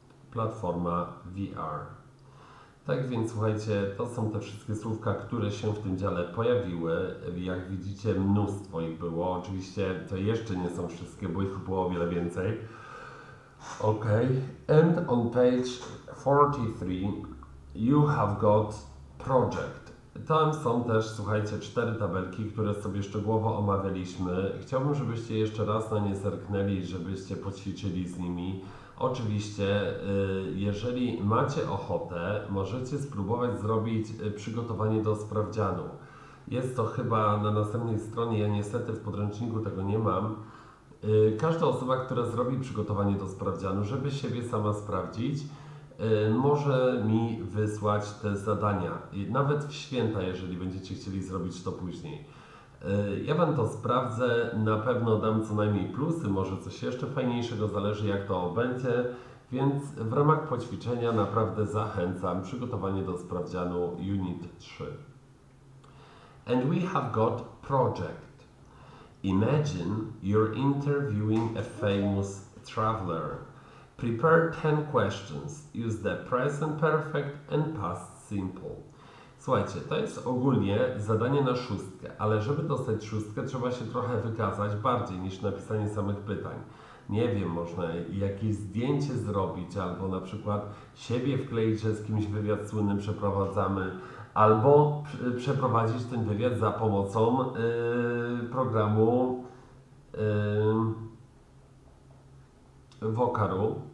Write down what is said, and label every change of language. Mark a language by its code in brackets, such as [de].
[pl] Platforma VR. Tak więc słuchajcie, to są te wszystkie słówka, które się w tym dziale pojawiły. Jak widzicie, mnóstwo ich było. Oczywiście to jeszcze nie są wszystkie, bo ich było o wiele więcej. OK. [en] And on page 43 you have got project. [pl] Tam są też, słuchajcie, cztery tabelki, które sobie szczegółowo omawialiśmy. Chciałbym, żebyście jeszcze raz na nie zerknęli, żebyście poćwiczyli z nimi. Oczywiście, jeżeli macie ochotę, możecie spróbować zrobić przygotowanie do sprawdzianu. Jest to chyba na następnej stronie, ja niestety w podręczniku tego nie mam. Każda osoba, która zrobi przygotowanie do sprawdzianu, żeby siebie sama sprawdzić, może mi wysłać te zadania. Nawet w święta, jeżeli będziecie chcieli zrobić to później. Ja Wam to sprawdzę, na pewno dam co najmniej plusy, może coś jeszcze fajniejszego, zależy jak to będzie, więc w ramach poćwiczenia naprawdę zachęcam przygotowanie do sprawdzianu Unit 3. [en] And we have got project. Imagine you're interviewing a famous traveler. Prepare 10 questions. Use the present perfect and past simple. [pl] Słuchajcie, to jest ogólnie zadanie na szóstkę, ale żeby dostać szóstkę, trzeba się trochę wykazać bardziej niż napisanie samych pytań. Nie wiem, można jakieś zdjęcie zrobić, albo na przykład siebie wkleić, że z kimś wywiad słynny przeprowadzamy, albo przeprowadzić ten wywiad za pomocą programu Vocaru.